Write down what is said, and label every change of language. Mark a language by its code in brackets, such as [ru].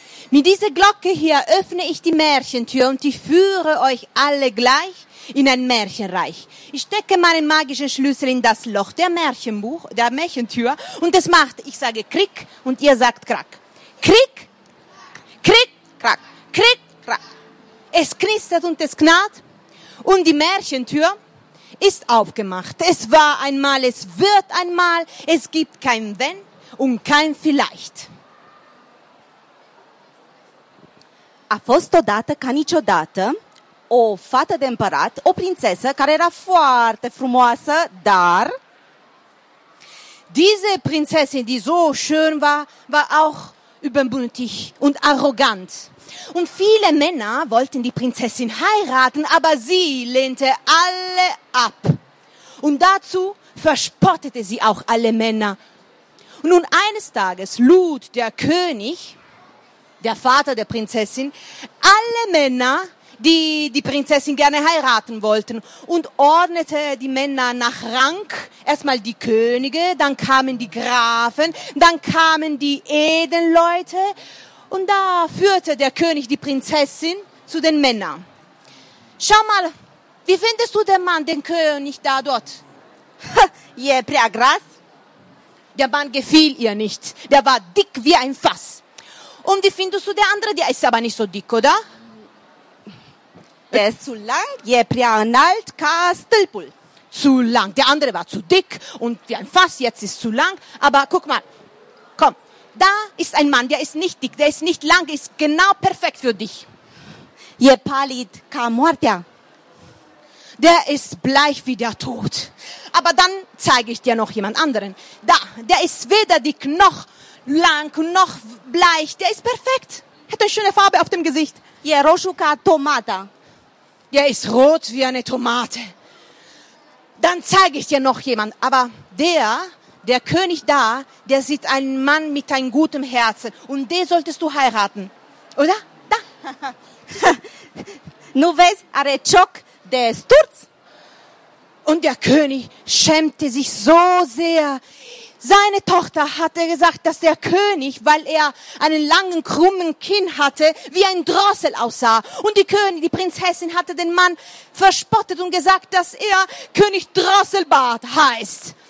[de] Mit dieser Glocke hier öffne ich die Märchentür und ich führe euch alle gleich in ein Märchenreich. Ich stecke meinen magischen Schlüssel in das Loch der Märchentür und es macht, ich sage Krick und ihr sagt Krack. Krick, Krick, Krack, Krick, Krack. Es knistert und es knarrt und die Märchentür ist aufgemacht. Es war einmal, es wird einmal, es gibt kein Wenn und kein Vielleicht. [ro] A fost odată ca niciodată o fată de împărat, o prințesă care era foarte frumoasă, dar... [de] Diese Prinzessin, die so schön war, war auch übermütig und arrogant. Und viele Männer wollten die Prinzessin heiraten, aber sie lehnte alle ab. Und dazu verspottete sie auch alle Männer. Und nun eines Tages lud der König... Der Vater der Prinzessin, alle Männer, die die Prinzessin gerne heiraten wollten und ordnete die Männer nach Rang. Erstmal die Könige, dann kamen die Grafen, dann kamen die Edelleute und da führte der König die Prinzessin zu den Männern. Schau mal, wie findest du den Mann, den König da dort? [ro] Je prea gras. [de] Der Mann gefiel ihr nicht, der war dick wie ein Fass. Und wie findest du der andere? Der ist aber nicht so dick, oder? Der ist zu lang. [ro] Je prea înalt ca stâlpul. [de] Zu lang. Der andere war zu dick und wie ein Fass. Jetzt ist zu lang. Aber guck mal. Komm. Da ist ein Mann, der ist nicht dick. Der ist nicht lang. Ist genau perfekt für dich. [ro] Je palid ca moartea. [de] Der ist bleich wie der Tod. Aber dann zeige ich dir noch jemand anderen. Da. Der ist weder dick noch lang noch bleich, der ist perfekt. Hat eine schöne Farbe auf dem Gesicht. [ro] E roșu ca tomata. [de] Der ist rot wie eine Tomate. Dann zeige ich dir noch jemand. Aber der König da, der sieht einen Mann mit einem guten Herzen. Und den solltest du heiraten. Oder? Da. [ro] Nu vezi, are cioc de sturz. [de] Und der König schämte sich so sehr. Seine Tochter hatte gesagt, dass der König, weil er einen langen, krummen Kinn hatte, wie ein Drossel aussah. Und die Königin, die Prinzessin, hatte den Mann verspottet und gesagt, dass er König Drosselbart heißt.